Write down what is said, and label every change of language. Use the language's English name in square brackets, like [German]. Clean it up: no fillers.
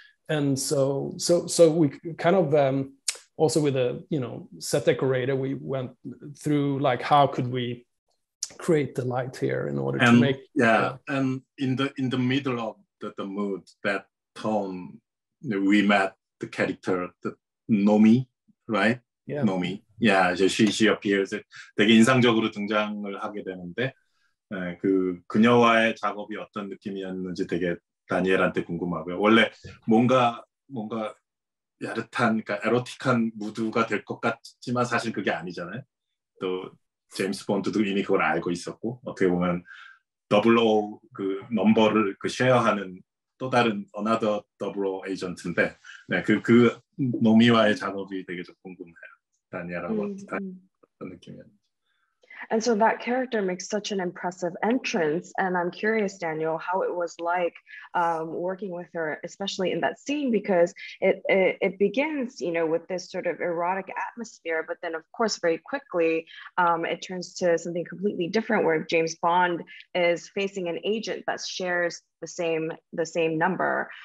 [English] And so we kind of also with a, you know, set decorator, we went through like how could we create the light here in order and, to make and in the middle of the mood, that tone, you know, we met the character, the Nomi, right? Yeah. Nomi. Yeah, she appears. [Korean] 되게 인상적으로 등장을 하게 되는데 그 그녀와의 작업이 어떤 느낌이었는지 되게 다니엘한테 궁금하고요. 원래 뭔가 야릇한, 그러니까 에로틱한 무드가 될 것 같지만 사실 그게 아니잖아요. 또 제임스 본드도 이미 그걸 알고 있었고, 어떻게 보면 더블오 그 넘버를 그 쉐어하는 또 다른 another 더블오 에이전트인데, 네, 그 노미와의 작업이 되게 좀 궁금해요. 다니엘하고 어떤 느낌이었는지. [English] And so that character makes such an impressive entrance. And I'm curious, Daniel, how it was like working with her, especially in that scene, because it begins, you know, with this sort of erotic atmosphere. But then, of course, very quickly, it turns to something completely different, where James Bond is facing an agent that shares the same number.